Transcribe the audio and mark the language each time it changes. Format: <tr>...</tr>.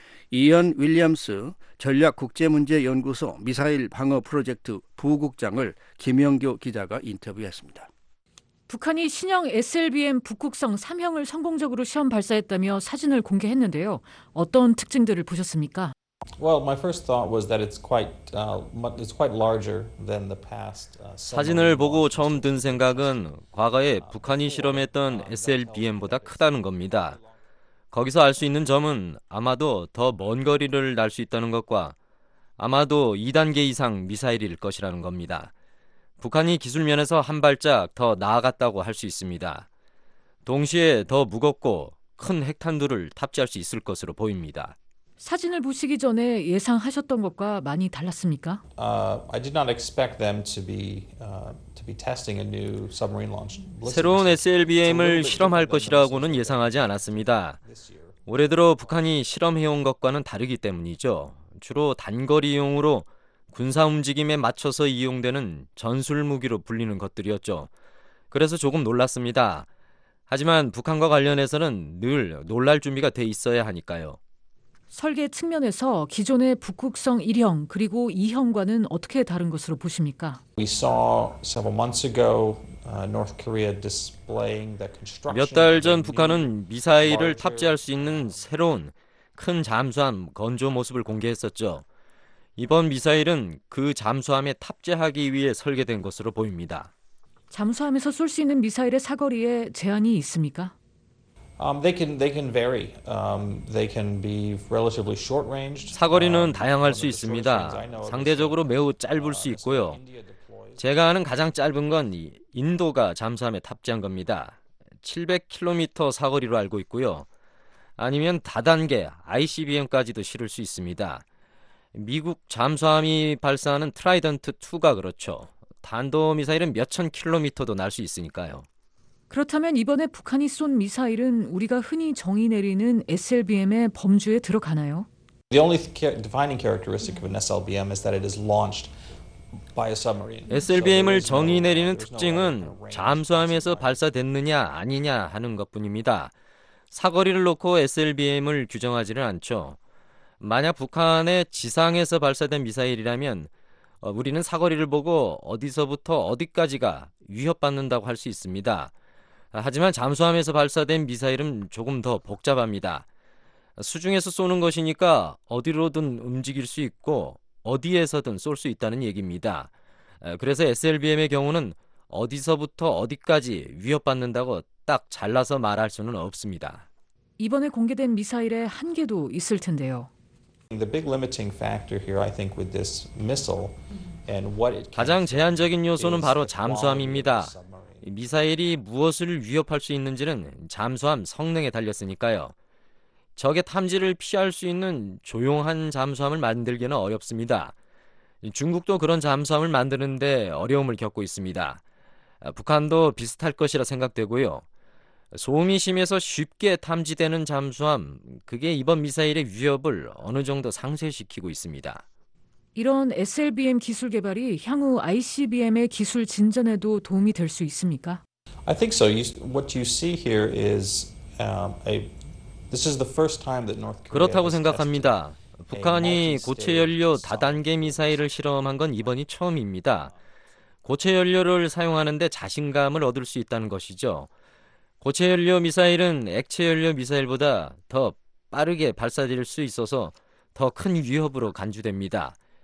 <ko>이언 윌리엄스 전략국제문제연구소 미사일 방어 프로젝트 부국장을 김영교 기자가 인터뷰했습니다. 북한이 신형 SLBM 북극성 3형을 성공적으로 시험 발사했다며 사진을 공개했는데요. 어떤 특징들을 보셨습니까?</ko> <en>Well, my first thought was that it's quite larger than the past.</en> <ko>사진을 보고 처음 든 생각은 과거에 북한이 실험했던 SLBM보다 크다는 겁니다. 거기서 알 수 있는 점은 아마도 더 먼 거리를 날 수 있다는 것과 아마도 2단계 이상 미사일일 것이라는 겁니다. 북한이 기술 면에서 한 발짝 더 나아갔다고 할 수 있습니다. 동시에 더 무겁고 큰 핵탄두를 탑재할 수 있을 것으로 보입니다. 사진을 보시기 전에 예상하셨던 것과 많이 달랐습니까?</ko> <en>I did not expect them to be testing a new submarine launch.</en> <ko>새로운 SLBM을 실험할 것이라고는 예상하지 않았습니다. 올해 들어 북한이 실험해온 것과는 다르기 때문이죠. 주로 단거리용으로 군사 움직임에 맞춰서 이용되는 전술 무기로 불리는 것들이었죠. 그래서 조금 놀랐습니다. 하지만 북한과 관련해서는 늘 놀랄 준비가 돼 있어야 하니까요. 설계 측면에서 기존의 북극성 1형 그리고 2형과는 어떻게 다른 것으로 보십니까?</ko> <en>We saw several months ago North Korea displaying the construction.</en> <ko>몇 달 전 북한은 미사일을 탑재할 수 있는 새로운 큰 잠수함 건조 모습을 공개했었죠. 이번 미사일은 그 잠수함에 탑재하기 위해 설계된 것으로 보입니다. 잠수함에서 쏠 수 있는 미사일의 사거리에 제한이 있습니까?</ko> <en>They can vary. They can be relatively short-ranged.</en> <ko>사거리는 다양할 수 있습니다. 상대적으로 매우 짧을 수 있고요. 제가 아는 가장 짧은 건 인도가 잠수함에 탑재한 겁니다. 700km 사거리로 알고 있고요. 아니면 다단계 ICBM까지도 실을 수 있습니다. 미국 잠수함이 발사하는 트라이던트2가 그렇죠. 탄도미사일은 몇천 킬로미터도 날 수 있으니까요. 그렇다면 이번에 북한이 쏜 미사일은 우리가 흔히 정의 내리는 SLBM의 범주에 들어가나요?</ko> <en>The only defining characteristic of an SLBM is that it is launched by a submarine.</en> <ko>SLBM을 정의 내리는 특징은 잠수함에서 발사됐느냐 아니냐 하는 것뿐입니다. 사거리를 놓고 SLBM을 규정하지는 않죠. 만약 북한의 지상에서 발사된 미사일이라면 우리는 사거리를 보고 어디서부터 어디까지가 위협받는다고 할 수 있습니다. 하지만 잠수함에서 발사된 미사일은 조금 더 복잡합니다. 수중에서 쏘는 것이니까 어디로든 움직일 수 있고 어디에서든 쏠 수 있다는 얘기입니다. 그래서 SLBM의 경우는 어디서부터 어디까지 위협받는다고 딱 잘라서 말할 수는 없습니다. 이번에 공개된 미사일의 한계도 있을 텐데요.</ko> <en>The big limiting factor here, I think, with this missile and what it</en> <ko>가장 제한적인 요소는 바로 잠수함입니다. 미사일이 무엇을 위협할 수 있는지는 잠수함 성능에 달렸으니까요. 적의 탐지를 피할 수 있는 조용한 잠수함을 만들기는 어렵습니다. 중국도 그런 잠수함을 만드는데 어려움을 겪고 있습니다. 북한도 비슷할 것이라 생각되고요. 소음이 심해서 쉽게 탐지되는 잠수함, 그게 이번 미사일의 위협을 어느 정도 상쇄시키고 있습니다. 이런 SLBM 기술 개발이 향후 ICBM의 기술 진전에도 도움이 될 수 있습니까?</ko> <en>I think so. What you see here is this is the first time that North Korea</en> <ko>그렇다고 생각합니다. 북한이 고체 연료 다단계 미사일을 실험한 건 이번이 처음입니다. 고체 연료를 사용하는데 자신감을 얻을 수 있다는 것이죠. 고체 연료 미사일은 액체 연료 미사일보다 더 빠르게 발사될 수 있어서 더 큰 위협으로 간주됩니다.</ko>